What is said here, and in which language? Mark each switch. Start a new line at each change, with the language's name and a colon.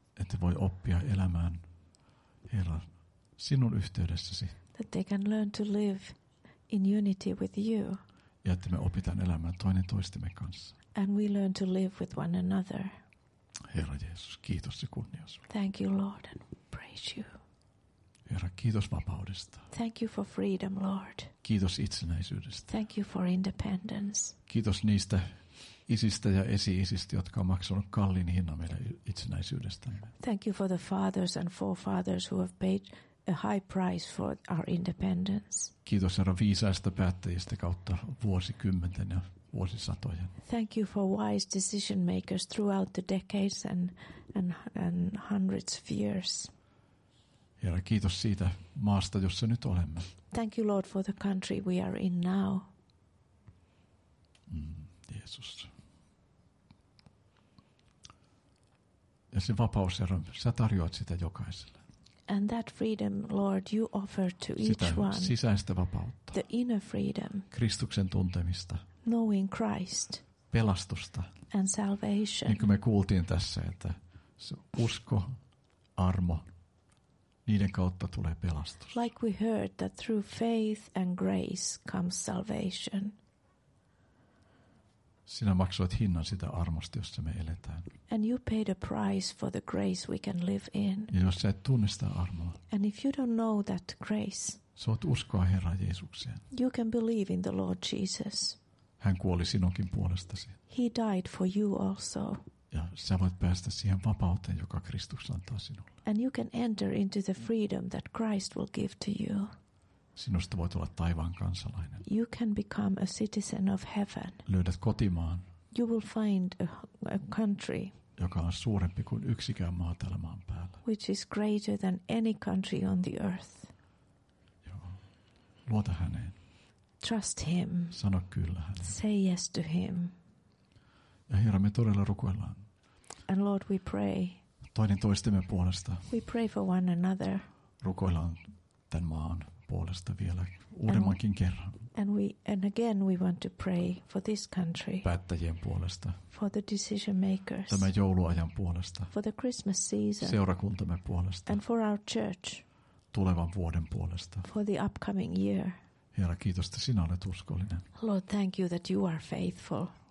Finnish: Että voi oppia elämään, Herra, sinun yhteydessäsi.
English: That they can learn to live in unity with you.
Finnish: Ja että me opitaan elämään toinen toistemme kanssa.
English: And we learn to live with one another.
Finnish: Herra Jeesus, kiitos ja kunnia sinulle.
English: Thank you, Lord, and praise you.
Finnish: Herra, kiitos vapaudesta.
English: Thank you for freedom, Lord.
Finnish: Kiitos itsenäisyydestä.
English: Thank you for independence.
Finnish: Kiitos niistä isistä ja esi-isistä, jotka on maksanut kalliin hinnan meidän itsenäisyydestämme.
English: Thank you for the fathers and forefathers who have paid a high price for our independence.
Finnish: Kiitos Herra viisaista päättäjistä kautta vuosikymmenten ja vuosisatojen.
English: Thank you for wise decision makers throughout the decades and hundreds of years.
Finnish: Herra, kiitos siitä maasta, jossa nyt olemme.
English: Thank you, Lord, for the country we are in now.
Finnish: Jeesus. Ja se vapaus, Herra, sä tarjoat sitä jokaiselle.
English: And that freedom, Lord, you offer to each one.
Finnish: Sitä sisäistä vapautta.
English: The inner freedom.
Finnish: Kristuksen tuntemista.
English: Knowing Christ.
Finnish: Pelastusta.
English: And salvation.
Finnish: Niin kuin me kuultiin tässä, että se usko, armo, niiden kautta tulee pelastus.
English: Like we heard that through faith and grace comes salvation.
Finnish: Sinä maksoit hinnan sitä armosta, jossa me eletään.
English: And you paid a price for the grace we can live in.
Finnish: Ja jos sä et tunne sitä armoa.
English: And if you don't know that grace.
Finnish: Sä voit uskoa Herran Jeesukseen.
English: You can believe in the Lord Jesus.
Finnish: Hän kuoli sinunkin puolestasi.
English: He died for you also.
Finnish: Ja sä voit päästä siihen vapauteen, joka Kristus antaa sinulle.
English: And you can enter into the freedom that Christ will give to you.
Finnish: Sinusta voit olla taivaan kansalainen.
English: You can become a citizen of heaven.
Finnish: Löydät kotimaan.
English: you will find a country
Finnish: joka on suurempi kuin yksikään maa tällä maan päällä.
English: Which is greater than any country on the earth.
Finnish: Joo. Luota häneen.
English: Trust him.
Finnish: Sano kyllä hänelle.
English: Say yes to him.
Finnish: Ja Herra, me todella rukoillaan.
English: And Lord, we pray.
Finnish: Toinen toistemme puolesta.
English: We pray for one another.
Finnish: Rukoillaan tämän maan puolesta vielä uudemmankin kerran.
English: And again we want to pray for this country.
Finnish: Päättäjien puolesta.
English: For the decision makers.
Finnish: Tämän jouluajan puolesta.
English: For the Christmas season.
Finnish: Seurakuntamme puolesta.
English: And for our church.
Finnish: Tulevan vuoden puolesta.
English: For the upcoming year.
Finnish: Herra, kiitos, että sinä olet uskollinen.
English: Lord, thank you that you are faithful.